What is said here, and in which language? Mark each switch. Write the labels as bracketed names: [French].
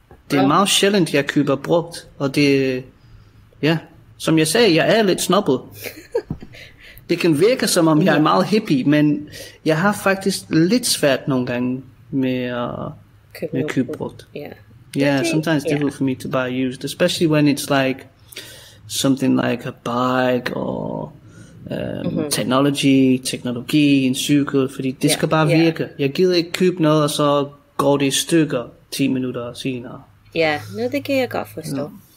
[Danish] Det er meget sjældent, jeg køber brugt. Og det som jeg sagde, jeg er lidt snobbet. Det kan virke, som om jeg er meget hippie, men jeg har faktisk lidt svært nogle gange med at købe brugt. [English] Sometimes it's difficult for me to buy used, especially when it's like something like a bike or [Danish] teknologi, en cykel, fordi det skal bare virke. Jeg gider ikke købe noget, og så går det i stykker 10 minutter senere. Ja, noget det kan jeg godt forstå.